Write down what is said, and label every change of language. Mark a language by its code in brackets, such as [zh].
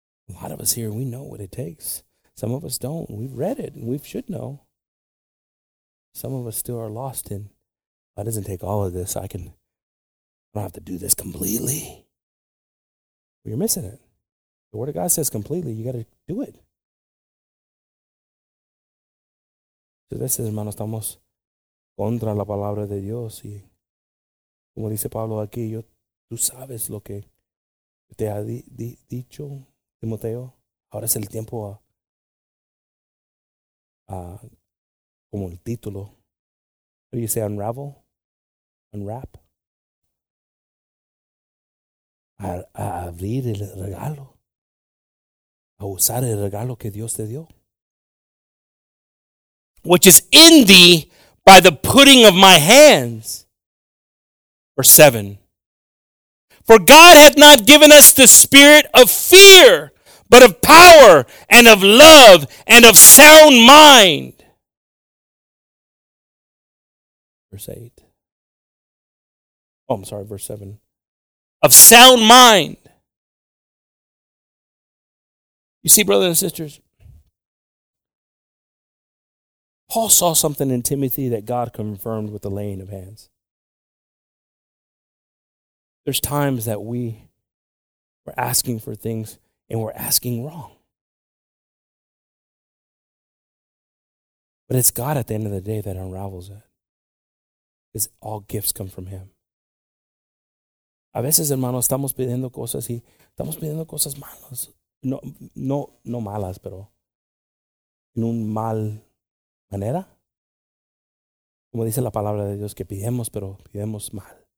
[en] A lot of us here, we know what it takes. Some of us don't. We've read it and we should know. Some of us still are lost in, that doesn't take all of this. I don't have to do this completely. Well, you're missing it. The Word of God says completely, you got to do it. [es] Entonces, veces, hermano, estamos contra la palabra de Dios. Y como dice Pablo aquí, tú sabes lo que te ha dicho Timoteo. Ahora es el tiempo como el título. [en] What do you say, unravel? Unwrap? [es] A abrir el regalo. A usar el regalo que Dios te dio. [en] Which is in thee by the putting of my hands. Verse 7. For God hath not given us the spirit of fear, but of power and of love and of sound mind. Verse 8. Oh, I'm sorry, verse 7. Of sound mind. You see, brothers and sisters, Paul saw something in Timothy that God confirmed with the laying of hands. There's times that we're asking for things and we're asking wrong. But it's God at the end of the day that unravels it. Because all gifts come from Him. [es] A veces, hermanos, estamos pidiendo cosas y estamos pidiendo cosas malas. No malas, pero en un mal manera. Como dice la palabra de Dios, que pidemos, pero pidemos mal.